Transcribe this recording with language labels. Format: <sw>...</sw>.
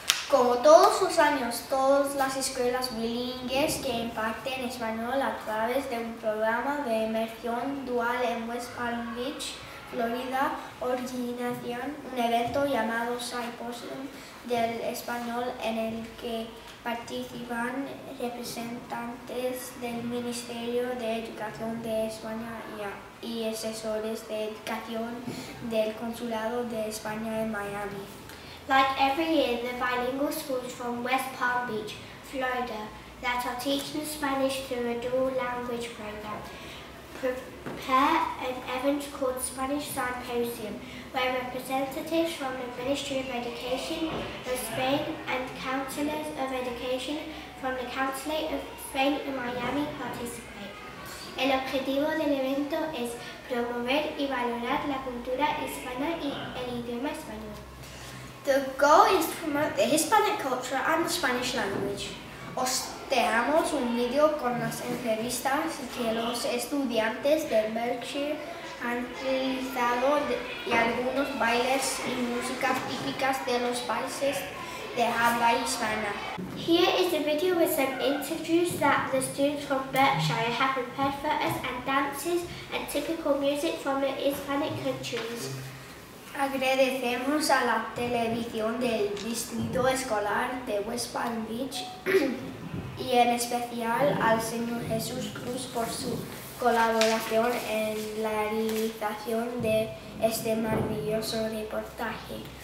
<es>Como todos los años, todas las escuelas bilingües que imparten español a través de un programa de inmersión dual en West Palm Beach, Florida, originan un evento llamado Symposium del Español en el que participan representantes del Ministerio de Educación de España y asesores de educación del Consulado de España en Miami.</es> <en>Like every year, the bilingual schools from West Palm Beach, Florida, that are teaching Spanish through a dual language program, prepare an event called Spanish Symposium, where representatives from the Ministry of Education of Spain and counselors of education from the Consulate of Spain in Miami participate.</en> <es>El objetivo del evento es promover y valorar la cultura hispana y el idioma español.</es> <en>The goal is to promote the Hispanic culture and the Spanish language.</en> <es>Os dejamos un video con las entrevistas que los estudiantes de Berkshire han realizado y algunos bailes y músicas típicas de los países de habla hispana.</es> <en>Here is a video with some interviews that the students from Berkshire have prepared for us and dances and typical music from the Hispanic countries.</en> <es>Agradecemos a la televisión del Distrito Escolar de West Palm Beach y en especial al señor Jesús Cruz por su colaboración en la realización de este maravilloso reportaje.</es>